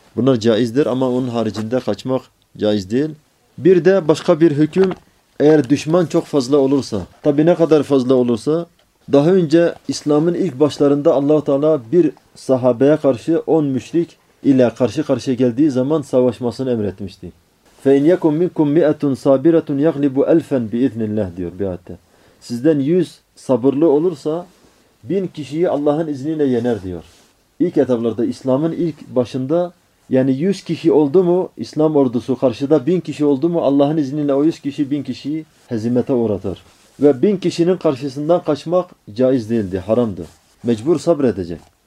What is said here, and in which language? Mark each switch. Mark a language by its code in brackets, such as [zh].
[tr] Bunlar caizdir ama onun haricinde kaçmak caiz değil. Bir de başka bir hüküm, eğer düşman çok fazla olursa, tabii ne kadar fazla olursa, daha önce İslam'ın ilk başlarında Allah-u Teala bir sahabeye karşı 10 müşrik ile karşı karşıya geldiği zaman savaşmasını emretmişti. [ar] فَاِنْ يَكُمْ مِنْكُمْ مِئَةٌ سَابِرَةٌ يَغْلِبُ أَلْفًا بِإِذْنِ اللّٰهِ [tr] diyor bir ayette. Sizden 100 sabırlı olursa 1000 kişiyi Allah'ın izniyle yener diyor. İlk etaplarda, İslam'ın ilk başında, yani 100 kişi oldu mu İslam ordusu, karşıda 1000 kişi oldu mu Allah'ın izniyle o 100 kişi 1000 kişiyi hezimete uğratır. Ve 1000 kişinin karşısından kaçmak caiz değildi, haramdı. Mecbur sabredecek.